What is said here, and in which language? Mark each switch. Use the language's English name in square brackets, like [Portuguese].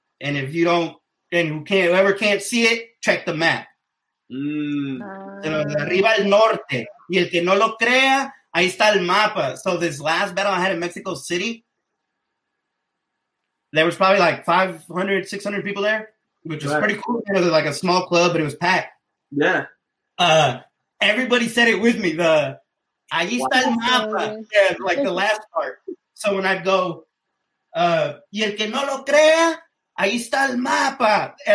[English] And if you don't, and whoever can't see it, check the map. [Spanish] Arriba el norte. Y el que no lo crea, ahí está el mapa. [English] So this last battle I had in Mexico City, there was probably like 500, 600 people there, which is pretty cool. It was like a small club, but it was packed. Yeah. Everybody said it with me. The [Spanish] ahí está el mapa. [English] Yeah, like the last part. So when I go, [Spanish] y el que no lo crea, ahí está el mapa.